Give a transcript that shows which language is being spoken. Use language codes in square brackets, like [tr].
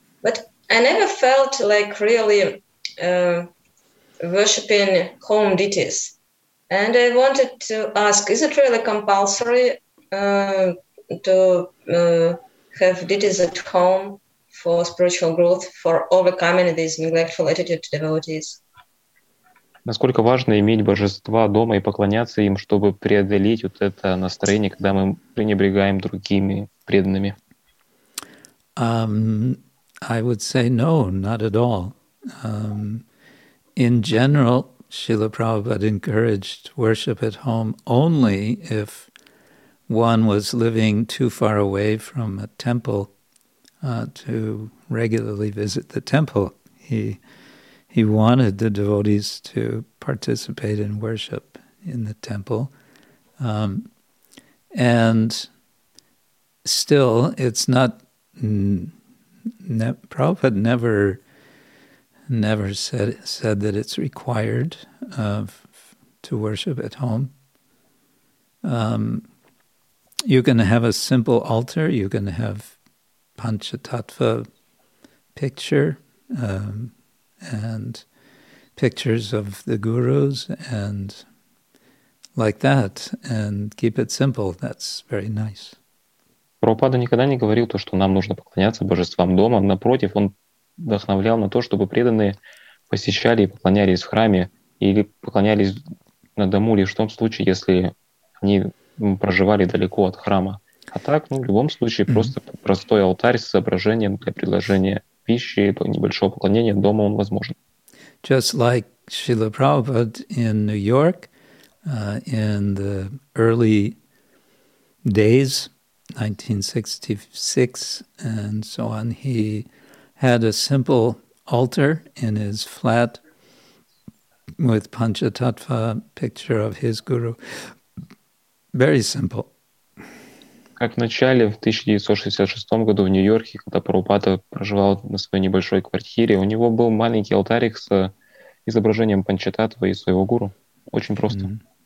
[en] But I never felt like really worshiping home deities. And I wanted to ask, is it really compulsory to have deities at home for spiritual growth, for overcoming this neglectful attitude to devotees? [ru] Насколько важно иметь божества дома и поклоняться им, чтобы преодолеть вот это настроение, когда мы пренебрегаем другими преданными? [en] I would say no, not at all. In general, Srila Prabhupada encouraged worship at home only if one was living too far away from a temple to regularly visit the temple. He wanted the devotees to participate in worship in the temple. And still, it's not... Prabhupada never said that it's required to worship at home. You can have a simple altar. You can have panchatattva picture and pictures of the gurus and like that, and keep it simple. That's very nice. [ru] Прабхупада никогда не говорил то, что нам нужно поклоняться божествам дома. Напротив, он вдохновлял на то, чтобы преданные посещали и поклонялись в храме или поклонялись на дому, лишь в том случае, если они проживали далеко от храма. А так, ну, в любом случае, просто простой алтарь с изображением для предложения пищи, то небольшое поклонение дома, он возможен. [en] Just like Srila Prabhupada in New York in the early days, 1966 and so on, he had a simple altar in his flat with panchatattva picture of his guru. Very simple. [ru] Как в начале, в 1966 году в Нью-Йорке, когда Прабхупада проживал на своей небольшой квартире, у него был маленький алтарик с изображением панчататвы и своего гуру. Очень просто.